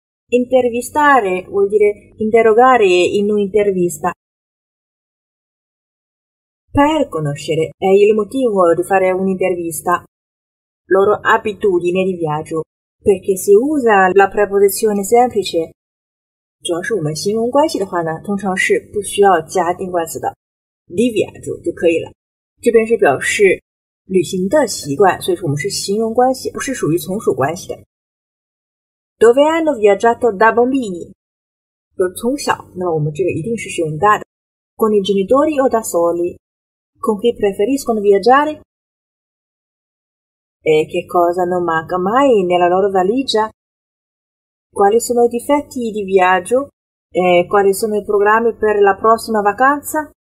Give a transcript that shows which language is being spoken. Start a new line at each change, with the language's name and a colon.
Italian: Intervistare vuol dire interrogare in un'intervista. Per conoscere è il motivo di fare un'intervista. Loro abitudine di viaggio, perché si usa la preposizione semplice.
Chinese: 主要是我们形容关系的话呢，通常是不需要加定冠词的
Italian: di viaggio
Chinese: 就可以了。这边是表示旅行的习惯，所以说我们是形容关系，不是属于从属关系的。
Italian: Dove hanno viaggiato da bambini？
Chinese: 就是从小，那么我们这个一定是使用da的。
Italian: Con i genitori o da soli？Con chi preferiscono viaggiare？E che cosa non manca mai nella loro valigia？ Quali sono i difetti di viaggio? Quali sono i programmi per la prossima vacanza?